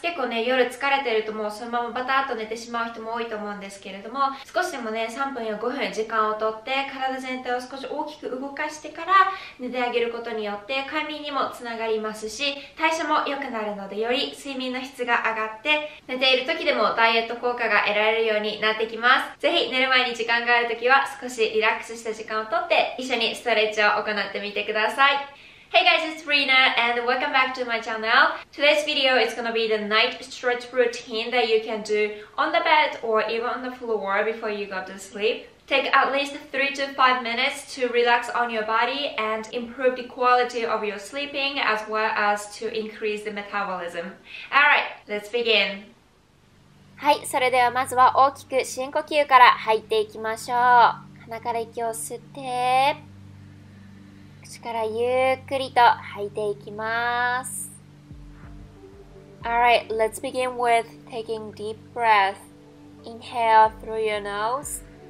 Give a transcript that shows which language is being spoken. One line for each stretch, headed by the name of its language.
Japanese: 結構ね、夜疲れてるともうそのままバタッと寝てしまう人も多いと思うんですけれども、少しでもね3分や5分時間をとって体全体を少し大きく動かしてから寝てあげることによって快眠にもつながりますし、代謝も良くなるので、より睡眠の質が上がって寝ている時でもダイエット効果が得られるようになってきます。ぜひ寝る前に時間がある時は少しリラックスした時間をとって一緒にストレッチを行ってみてください。
English: Hey guys, it's Rina and welcome back to my channel. Today's video is gonna be the night stretch routine that you can do on the bed or even on the floor before you go to sleep. Take at least 3 to 5 minutes to relax on your body and improve the quality of your sleeping as well as to increase the metabolism. Alright, let's begin.
Japanese: はい、それではまずは大きく深呼吸から入っていきましょう。鼻から息を吸って口からゆっくりと吐いていきます。
English: Alright, let's begin with taking deep breath. Inhale through your nose.